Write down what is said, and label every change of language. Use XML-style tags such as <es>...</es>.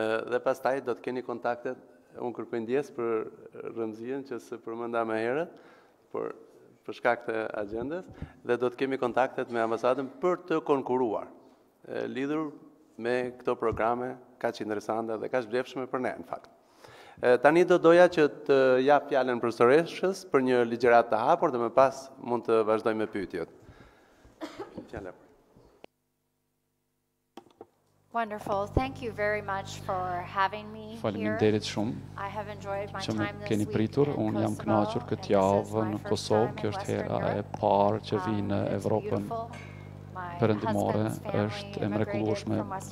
<sq>Dhe pastaj do të keni kontaktet, unë kërkoj ndjesë për rëndësinë që së përmenda më herët, por për shkak të agjendës, dhe do të kemi kontaktet me ambasadën për të konkuruar, lidhur me këto programe kaq interesante dhe kaq vlefshme për ne, në fakt. Tani do doja që të jap fjalën profesoreshës për një ligjeratë të hapur dhe më pas mund të vazhdojmë me pyetjet. Fjala.</sq> <en>Wonderful. Thank you very much for having me here.</en> <sq>Faleminderit shumë.</sq> <en>I have enjoyed my time this</en> <sq>week. Keni pritur, un jam kënaqur këtë javë në Kosovë. Kjo është hera e parë që vi në Evropën. Perëndimore është e mrekullueshme.</sq>